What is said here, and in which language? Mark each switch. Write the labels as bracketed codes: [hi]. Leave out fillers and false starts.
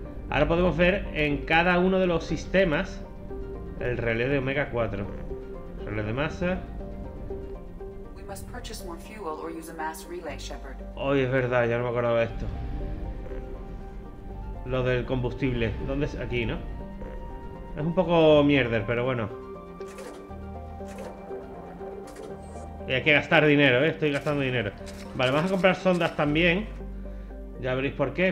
[es] Ahora podemos ver en cada uno de los sistemas el relé de Omega 4. Relé de masa. [en] We must purchase more fuel or use a mass relay, Shepard. [es] Oh, es verdad, ya no me acordaba de esto. Lo del combustible. ¿Dónde es? Aquí, ¿no? Es un poco mierder, pero bueno. Y hay que gastar dinero, ¿eh? Estoy gastando dinero. Vale, vamos a comprar sondas también. Ya veréis por qué.